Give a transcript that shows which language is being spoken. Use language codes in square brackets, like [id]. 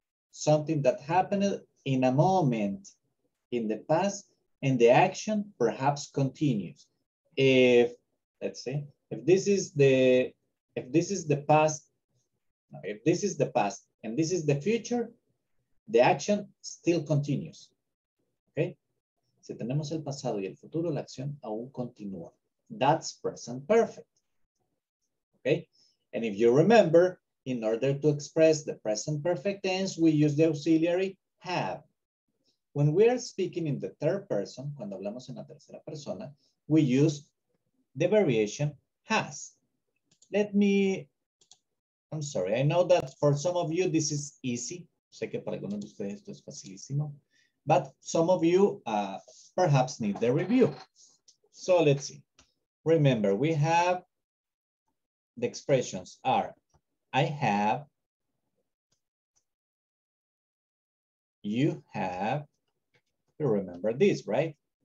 [en] Something that happened in a moment in the past and the action perhaps continues. If, let's see, if this is the past and this is the future, the action still continues, okay? [es] Si tenemos el pasado y el futuro, la acción aún continúa. [en] That's present perfect, okay? And if you remember, in order to express the present perfect tense, we use the auxiliary have. When we are speaking in the third person, [es] cuando hablamos en la tercera persona, [en] we use the variation has. I'm sorry, I know that for some of you, this is easy. [es] Sé que para algunos de ustedes esto es facilísimo. [en] But some of you perhaps need the review. So let's see. Remember, we have the expressions are I have, you have, you remember this, right?